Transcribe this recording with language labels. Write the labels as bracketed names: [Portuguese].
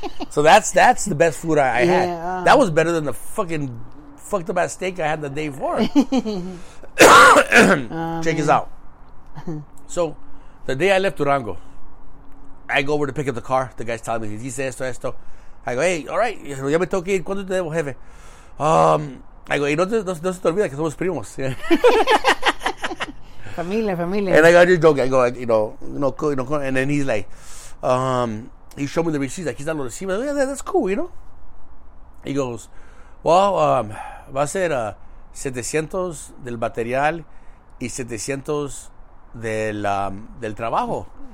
[English] So that's the best food I had. That was better than the fucking fucked up ass steak I had the day before. Check this out. So the day I left Durango, I go over to pick up the car. The guy's telling me, he says [Spanish] esto, esto. [English] I go, hey, all right. [Spanish] Ya me toque ir. ¿Cuándo te debo, jefe? [English] I go, [Spanish] y no se te olvida que somos primos. Familia. [English] And I go, I just joke. I go, you know, and then he's like, he showed me the receipts. Like, he's not going to see me. I go, yeah, that's cool, you know? He goes, well, [Spanish] va a ser 700 del material y 700 del trabajo.